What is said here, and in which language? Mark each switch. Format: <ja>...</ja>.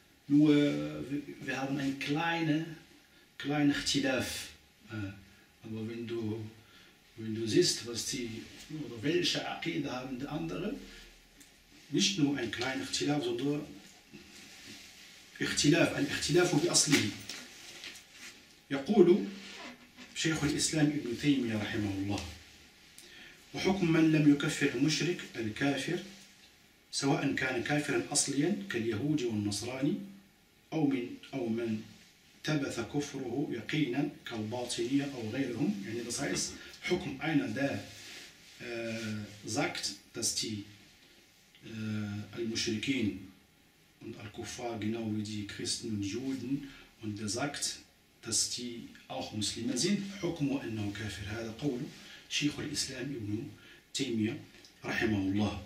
<de>Nur, wir haben ein kleines Ikhtilaf. Aber wenn du siehst, was die, oder welche Aqidah haben die anderen, nicht nur ein kleines Ikhtilaf, sondern Ikhtilaf, ein Ikhtilaf wie Asli.</de> <ar>يقول شيخ الإسلام ابن تيمية رحمه الله وحكم من لم يكفر مشرك الكافر سواء كان كافرا اصليا كاليهود والنصراني او من تبث كفره يقينا كالباطنيه او غيرهم. يعني</ar> <de>das heißt, حكم einer, der sagt, dass die المشركين und الكفار genau wie die Christen und Juden, und der sagt, dass die auch Muslime sind,</de> <ar>حكمه انه كافر. هذا قول شيخ الاسلام ابن تيميه رحمه الله.</ar>